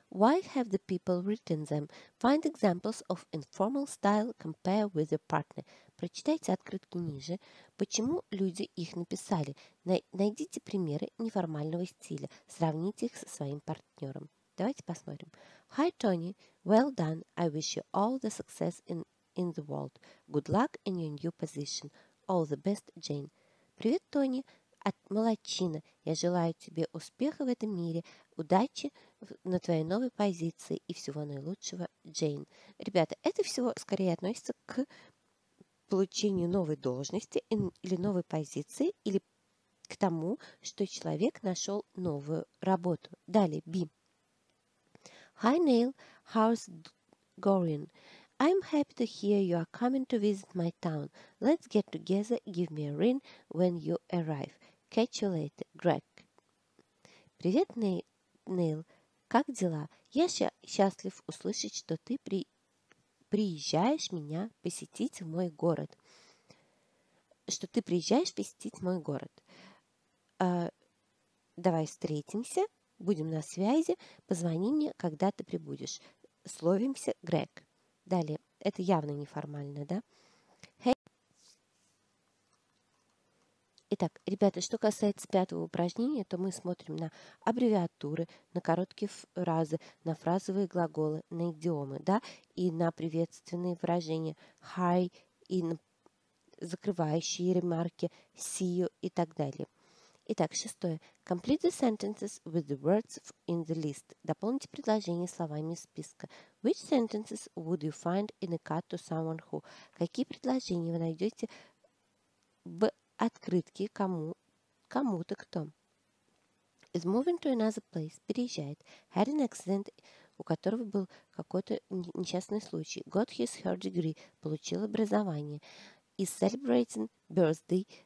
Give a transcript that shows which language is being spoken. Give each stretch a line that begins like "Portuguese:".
English: Why have the people written them? Find examples of informal style. Compare with your partner.
Russian: Прочитайте открытки ниже. Почему люди их написали? Найдите примеры неформального стиля. Сравните их со своим партнером. Давайте посмотрим.
English: Hi, Tony. Well done. I wish you all the success in the world. Good luck in your new position. All the best, Jane.
Russian: Привет, Тони. Молодчина. Я желаю тебе успеха в этом мире. Удачи на твоей новой позиции и всего наилучшего, Джейн. Ребята, это всего скорее относится к получению новой должности или новой позиции, или к тому, что человек нашел новую работу. Далее,
English: B. Hi, Neil. How's it going? I'm happy to hear you are coming to visit my town. Let's get together. Give me a ring when you arrive. Catch you later, Greg.
Russian: Привет, Нейл. Нейл, как дела? Я счастлив услышать, что ты приезжаешь меня посетить в мой город. Что ты приезжаешь посетить мой город. Давай встретимся, будем на связи. Позвони мне, когда ты прибудешь. Словимся, Грег. Далее, это явно неформально, да?
English: Hey.
Russian: Итак, ребята, что касается пятого упражнения, то мы смотрим на аббревиатуры, на короткие фразы, на фразовые глаголы, на идиомы, да, и на приветственные выражения hi, и на закрывающие ремарки
English: see you
Russian: и так далее. Итак, шестое.
English: Complete the sentences with the words in the list.
Russian: Дополните предложение словами из списка.
English: Which sentences would you find in a card to someone who?
Russian: Какие предложения вы найдете в открытки кому-то кто.
English: Is moving to another place.
Russian: Переезжает.
English: Had an accident,
Russian: у которого был какой-то несчастный случай.
English: Got his third degree.
Russian: Получил образование.
English: Is celebrating birthday.